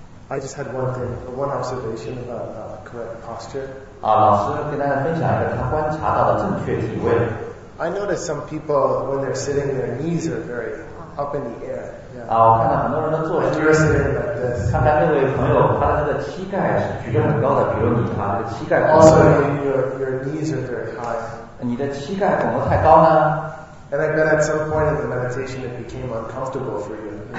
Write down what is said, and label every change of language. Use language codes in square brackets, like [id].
[en] I just had one thing, one observation about correct posture. [zh] 老师跟大家分享一个他观察到的正确体位。 [en] I notice some people when they're sitting, their knees are very up in the air. [zh] 啊，我看到很多人都坐着。 [en] When you're sitting like this. [zh] 看看那位朋友，他的那个膝盖是举得很高的，比如你，他的膝盖。 [en] Also, your knees are very high. [zh] 你的膝盖怎么太高呢？ [en] And I bet at some point in the meditation it became uncomfortable for you.